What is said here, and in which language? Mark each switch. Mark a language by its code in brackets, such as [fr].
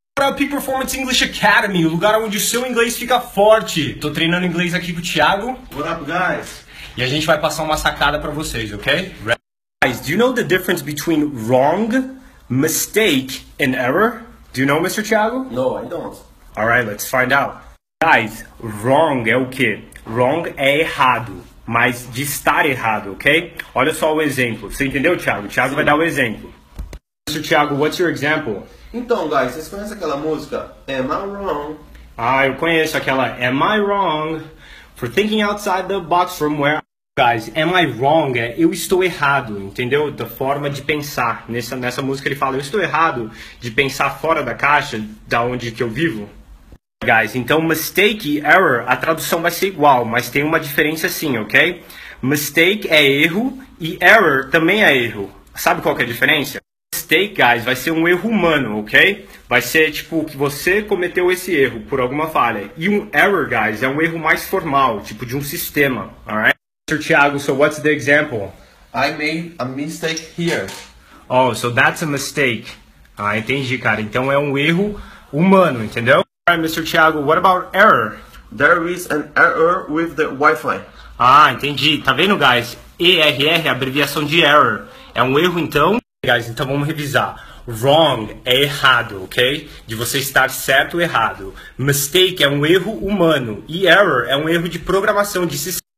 [pt] a Peak Performance English Academy, o lugar onde o seu inglês fica forte. Tô treinando inglês aqui com o Thiago. [en] What up, guys? [pt] E a gente vai passar uma sacada pra vocês, ok? [en] Guys, do you know the difference between wrong, mistake, and error? Do you know, Mr. Thiago? No, I don't. Alright, let's find out. Guys, wrong [pt] é o quê? Wrong é errado, mas de estar errado, ok? Olha só o exemplo. Você entendeu, Thiago? O Thiago Sim. vai dar o exemplo. [en] Mr. Thiago, what's your example? [pt] Então, guys, vocês conhecem aquela música? [en] Am I wrong? [pt] Ah, eu conheço aquela. [en] Am I wrong? For thinking outside the box from where... Guys, am I wrong? [pt] Eu estou errado, entendeu? Da forma de pensar. Nessa música ele fala, eu estou errado de pensar fora da caixa, da onde que eu vivo. Guys, então mistake e error, a tradução vai ser igual, mas tem uma diferença sim, ok? Mistake é erro e error também é erro. Sabe qual que é a diferença? Mistake, guys, vai ser um erro humano, ok? Vai ser tipo que você cometeu esse erro por alguma falha. E um error, guys, é um erro mais formal, tipo de um sistema, alright? [en] Mr. Thiago, so what's the example? I made a mistake here. Oh, so that's a mistake. [pt] Ah, entendi, cara. Então é um erro humano, entendeu? [en] Alright, Mr. Thiago, what about error? There is an error with the Wi-Fi. [pt] Ah, entendi. Tá vendo, guys? ERR é a abreviação de error. É um erro, então? Guys, então vamos revisar. Wrong é errado, ok? De você estar certo ou errado. Mistake é um erro humano. E error é um erro de programação, de sistema.